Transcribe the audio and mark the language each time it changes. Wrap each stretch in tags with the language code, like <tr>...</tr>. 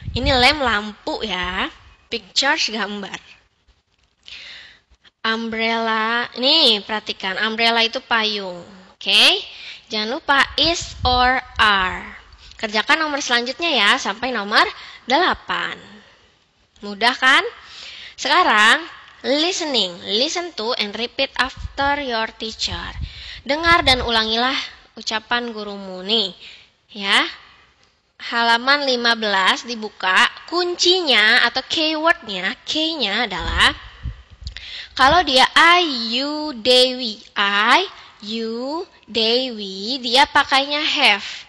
<id>Ini lem lampu ya. Pictures, gambar. Umbrella, nih perhatikan, umbrella itu payung, okay? Jangan lupa is or are. Kerjakan nomor selanjutnya ya, sampai nomor 8. Mudah kan? Sekarang,</id> <en>listening, listen to and repeat after your teacher.</en> <id>Dengar dan ulangilah ucapan gurumu, nih ya. Halaman 15 dibuka, kuncinya atau keywordnya, key-nya adalah kalau dia I, you, they, we. I, you, they, we. Dia pakainya have.</id>